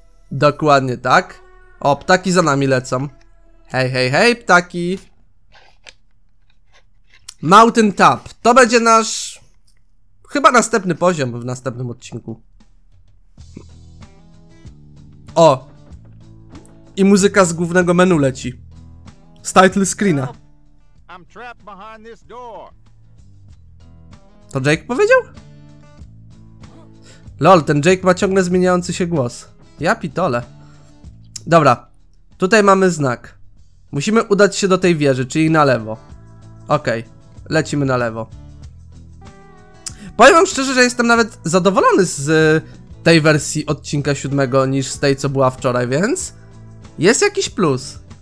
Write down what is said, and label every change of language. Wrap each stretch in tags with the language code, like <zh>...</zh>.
<pl>Dokładnie tak. O, ptaki za nami lecą. Hej, hej, hej, ptaki. Mountain Top. To będzie nasz... Chyba następny poziom w następnym odcinku. O! i muzyka z głównego menu leci. Z title screena.</pl> <en>I'm trapped behind this door.</en> <pl>To Jake powiedział? Lol, ten Jake ma ciągle zmieniający się głos. Ja pitole. Dobra, tutaj mamy znak. Musimy udać się do tej wieży, czyli na lewo. Okej, okay, lecimy na lewo. Powiem wam szczerze, że jestem nawet zadowolony z tej wersji odcinka siódmego niż z tej, co była wczoraj, więc jest jakiś plus.</pl>